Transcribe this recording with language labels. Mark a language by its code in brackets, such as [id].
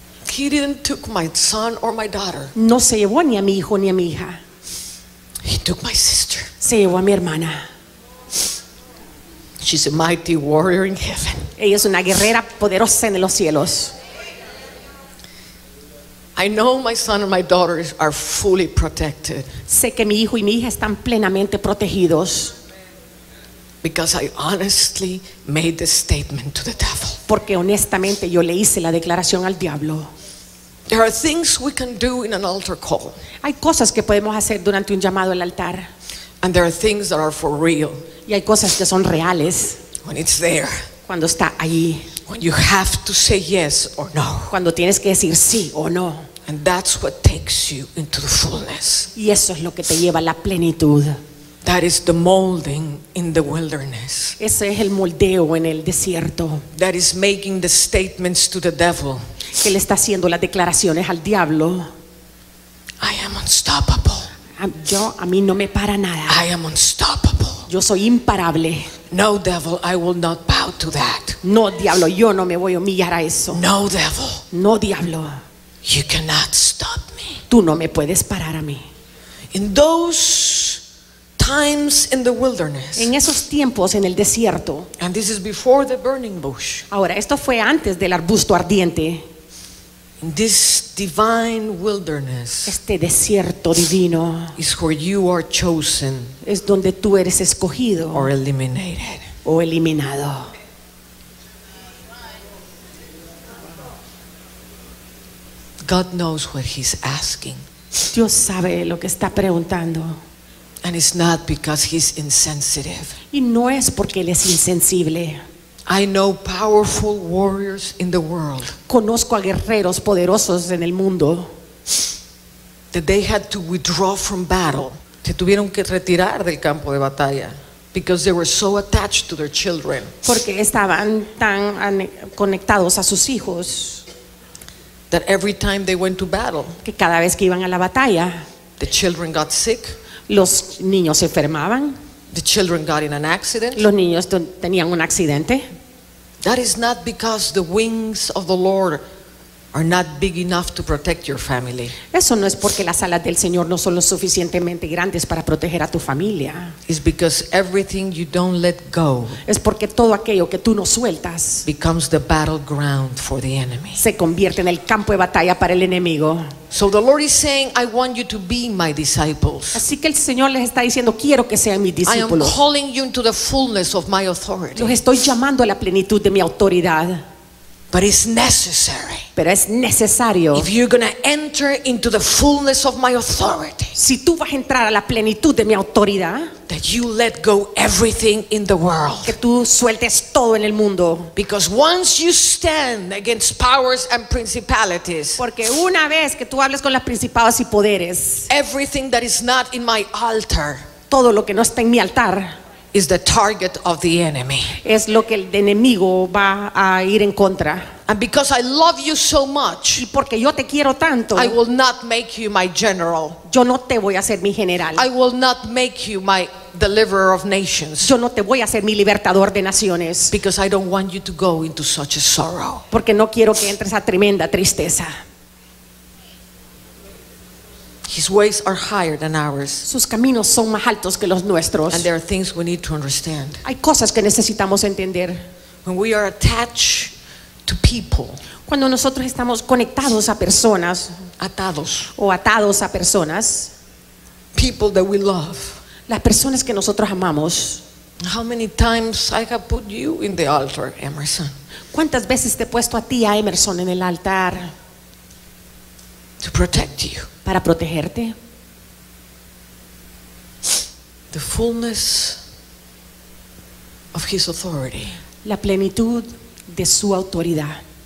[en] He didn't took my son or my daughter. [es] No se llevó ni a mi hijo ni a mi hija. [en] He took my sister. [es] Se llevó a mi hermana. [en] She's a mighty warrior in heaven. [es] Ella es una guerrera poderosa en los cielos. [en] I know my son and my daughters are fully protected. [es] Sé que mi hijo y mi hija están plenamente protegidos. [en] Because I honestly made the statement to the devil. [es] Porque honestamente yo le hice la declaración al diablo. [en] There are things we can do in an altar call. [es] Hay cosas que podemos hacer durante un llamado al altar. [en] And there are things that are for real. [es] Y hay cosas que son reales. [en] When it's there. [es] Cuando está allí. [en] When you have to say yes or no. [es] Cuando tienes que decir sí o no. [en] And that's what takes you into the fullness. [es] Y eso es lo que te lleva a la plenitud. [en] That is the molding in the wilderness. [es] Ese es el moldeo en el desierto. [en] That is making the statements to the devil. [es] Que le está haciendo las declaraciones al diablo. [en] I am unstoppable. [es] A mí no me para nada. [en] I am unstoppable. [es] Yo soy imparable. [en] No, devil, I will not bow to that. [es] No, diablo, yo no me voy a humillar a eso. [en] No, devil. [es] No, diablo. [en] You cannot stop me. [es] Tú no me puedes parar a mí. [en] In those times in the wilderness. [es] En esos tiempos en el desierto. [en] And this is before the burning bush. [es] Ahora, esto fue antes del arbusto ardiente. [en] In this divine wilderness. [es] Este desierto divino. [en] Is where you are chosen. [es] Es donde tú eres escogido. [en] Or eliminated. [es] O eliminado. [en] God knows what he's asking. [es] Dios sabe lo que está preguntando. [en] And it's not because he's insensitive. [es] Y no es porque él es insensible. [en] I know powerful warriors in the world. [es] Conozco a guerreros poderosos en el mundo. [en] That they had to withdraw from battle. [es] Se tuvieron que retirar del campo de batalla. [en] Because they were so attached to their children. [es] Porque estaban tan conectados a sus hijos. [en] That every time they went to battle. [es] Que cada vez que iban a la batalla. [en] The children got sick. [es] Los niños se enfermaban. [en] The children got in an accident. [es] Los niños tenían un accidente. [en] That is not because the wings of the Lord are not big enough to protect your family. [es] Eso no es porque las alas del Señor no son lo suficientemente grandes para proteger a tu familia. [en] It's because everything you don't let go. [es] Es porque todo aquello que tú no sueltas [en] becomes the battleground for the enemy. [es] Se convierte en el campo de batalla para el enemigo. [en] So the Lord is saying, I want you to be my disciples. [es] Así que el Señor les está diciendo, quiero que sean mis discípulos. [en] I am calling you into the fullness of my authority. [es] Los estoy llamando a la plenitud de mi autoridad. [en] But it's necessary. [es] Pero es necesario. [en] If you're going to enter into the fullness of my authority. [es] Si tú vas a entrar a la plenitud de mi autoridad. [en] That you let go everything in the world. [es] Que tú sueltes todo en el mundo. [en] Because once you stand against powers and principalities. [es] Porque una vez que tú hables con las principados y poderes. [en] Everything that is not in my altar. [es] Todo lo que no está en mi altar. [en] Is the target of the enemy. [es] Es lo que el enemigo va a ir en contra. [en] And because I love you so much, [es] y porque yo te quiero tanto, [en] I will not make you my general. [es] Yo no te voy a hacer mi general. [en] I will not make you my deliverer of nations. [es] Yo no te voy a hacer mi libertador de naciones. [en] Because I don't want you to go into such a sorrow. [es] Porque no quiero que entres a tremenda tristeza. [en] His ways are higher than ours. [es] Sus caminos son más altos que los nuestros. [en] And there are things we need to understand. [es] Hay cosas que necesitamos entender. [en] When we are attached to people. [es] Cuando nosotros estamos conectados a personas. Atados. O atados a personas. [en] People that we love. [es] Las personas que nosotros amamos. [en] How many times I have put you in the altar, Emerson? [es] ¿Cuántas veces te he puesto a ti, a Emerson, en el altar? [en] To protect you. [es] Para protegerte. [en] The fullness of his authority. [es] La plenitud de su autoridad.